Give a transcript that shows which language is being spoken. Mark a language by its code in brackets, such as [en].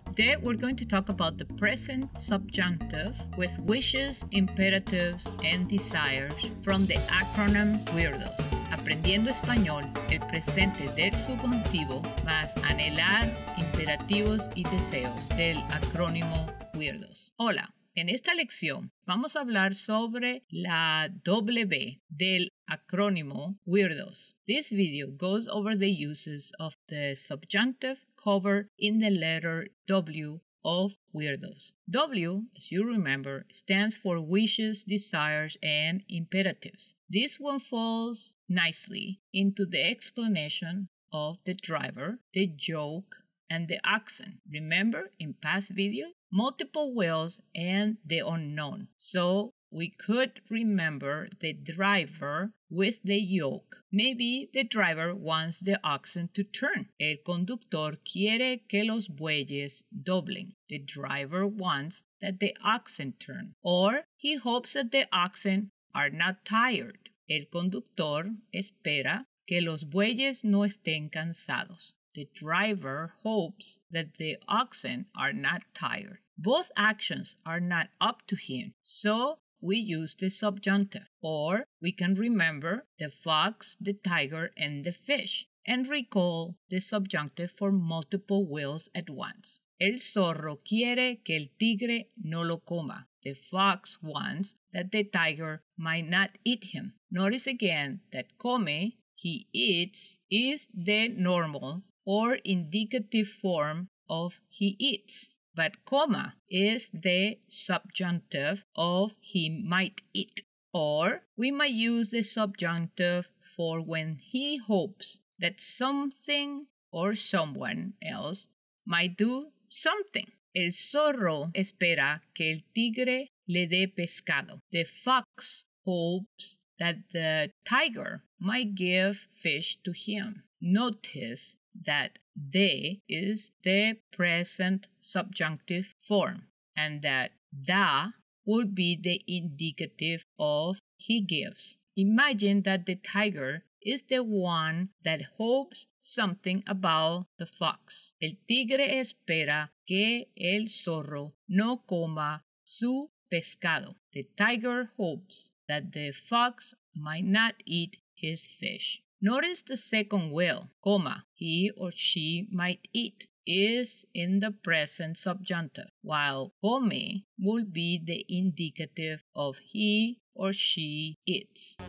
[en] Today we're going to talk about the present subjunctive with wishes, imperatives, and desires from the acronym WEIRDOS. [es] Aprendiendo español, el presente del subjuntivo más anhelar, imperativos y deseos del acrónimo WEIRDOS. Hola, en esta lección vamos a hablar sobre la W del acrónimo WEIRDOS. [en] This video goes over the uses of the subjunctive covered in the letter W of WEIRDOS. W, as you remember, stands for wishes, desires, and imperatives. This one falls nicely into the explanation of the driver, the yoke, and the oxen. Remember in past video? Multiple wheels and the unknown. So we could remember the driver with the yoke. Maybe the driver wants the oxen to turn. [es] El conductor quiere que los bueyes doblen. [en] The driver wants that the oxen turn. Or he hopes that the oxen are not tired. [es] El conductor espera que los bueyes no estén cansados. [en] The driver hopes that the oxen are not tired. Both actions are not up to him, so we use the subjunctive. Or we can remember the fox, the tiger, and the fish, and recall the subjunctive for multiple wills at once. [es] El zorro quiere que el tigre no lo coma. [en] The fox wants that the tiger might not eat him. Notice again that come, he eats, is the normal or indicative form of he eats. But coma is the subjunctive of he might eat. Or we might use the subjunctive for when he hopes that something or someone else might do something. [es] El zorro espera que el tigre le dé pescado. [en] The fox hopes that the tiger might give fish to him. Notice that de is the present subjunctive form, and that da would be the indicative of he gives. Imagine that the tiger is the one that hopes something about the fox. [es] El tigre espera que el zorro no coma su pescado. [en] The tiger hopes that the fox might not eat his fish. Notice the second will, comma, he or she might eat, is in the present subjunctive, while come would be the indicative of he or she eats.